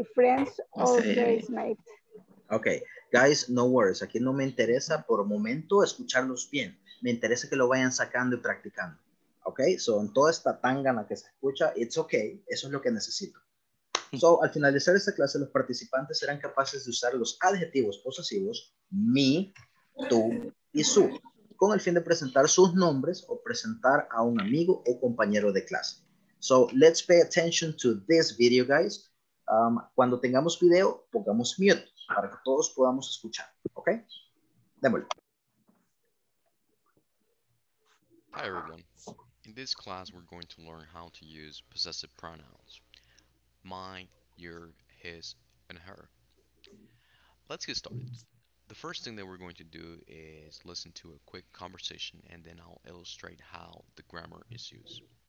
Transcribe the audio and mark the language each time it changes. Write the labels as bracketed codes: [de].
[en] By the end of this lecture, participants will be able to use my, your, his, and her in order to introduce their names or classmate. Guys, no worries. [es] Aquí no me interesa por momento escucharlos bien. Me interesa que lo vayan sacando y practicando. Ok, so en toda esta tangana que se escucha, [en] it's ok, [es] eso es lo que necesito. So, al finalizar esta clase, los participantes serán capaces de usar los adjetivos posesivos mi, tú y su, con el fin de presentar sus nombres o presentar a un amigo o compañero de clase. [en] So let's pay attention to this video, guys. [es] Cuando tengamos video, pongamos mute para que todos podamos escuchar, ¿ok? Démosle. [en] Hi, everyone. In this class, we're going to learn how to use possessive pronouns. My, your, his, and her. Let's get started. The first thing that we're going to do is listen to a quick conversation, and then I'll illustrate how the grammar is used.